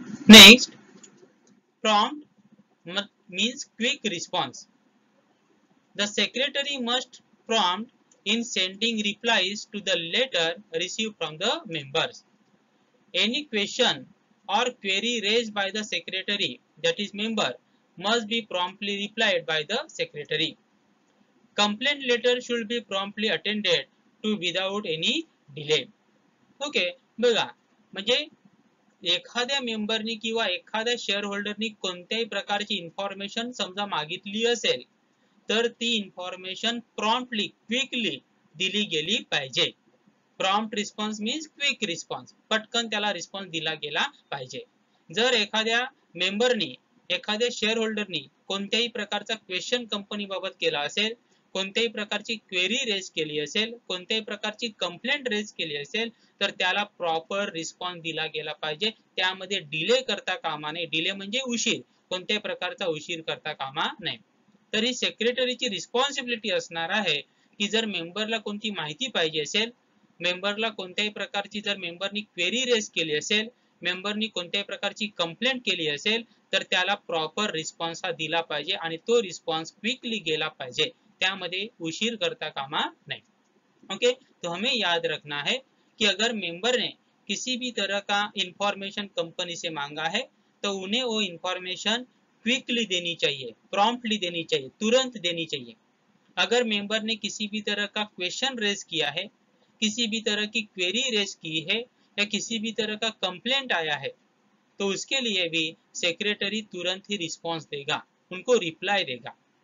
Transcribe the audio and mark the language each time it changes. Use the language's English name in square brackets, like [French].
[English] Next, prompt means quick response. The secretary must prompt in sending replies to the letter receive from the members. Any question or query raised by the secretary that is member must be promptly replied by the secretary. Complaint letter should be promptly attended to without any delay. [Marathi] Okay, बघा म्हणजे एखाद्या मेंबरनी किंवा एखाद्या शेअरहोल्डरनी कोणत्याही प्रकारची information समजा मागितली असेल तर ती इन्फॉर्मेशन प्रॉम्प्टली क्विकली दिली गेली पाहिजे. [English] prompt response means quick response, [Marathi] पटकन त्याला रिस्पॉन्स दिला गेला पाहिजे. जर एखाद्या मेंबरनी एखाद्या शेअरहोल्डरनी कोणत्याही प्रकारचा क्वेश्चन कंपनीबाबत केला असेल, कोणत्याही प्रकारची क्वेरी रेज केली असेल, कोणत्याही प्रकारची कंप्लेंट रेज केली असेल, तर त्याला प्रॉपर रिस्पॉन्स दिला गेला पाहिजे. त्यामध्ये डिले करता कामा नाही, डिले म्हणजे उशीर, कोणत्याही प्रकारचा उशीर करता कामा नाही. तर ही सेक्रेटरीची रिस्पॉन्सिबिलिटी असणार आहे की जर मेंबरला कोणती माहिती पाहिजे असेल, मेंबरला कोणत्याही प्रकारची जर मेंबरनी क्वेरी रेज केली असेल, मेंबरनी कोणत्याही प्रकारची कंप्लेंट केली असेल, तर त्याला प्रॉपर रिस्पॉन्स हा दिला पाहिजे आणि तो रिस्पॉन्स क्विकली गेला पाहिजे, त्यामध्ये उशीर करता कामा नाही. [Hindi] ओके, तो हमें याद रखना है कि अगर मेंबर ने किसी भी तरह का इन्फॉर्मेशन कंपनी से मांगा है तो उन्हें वो इन्फॉर्मेशन क्विकली देनी चाहिए, प्रॉम्प्टली देनी चाहिए, तुरंत देनी चाहिए. अगर मेंबर ने किसी भी तरह का क्वेश्चन रेज किया है, किसी भी तरह की क्वेरी रेज की है या किसी भी तरह का कंप्लेंट आया है तो उसके लिए भी सेक्रेटरी तुरंत ही रिस्पॉन्स देगा, उनको रिप्लाई देगा.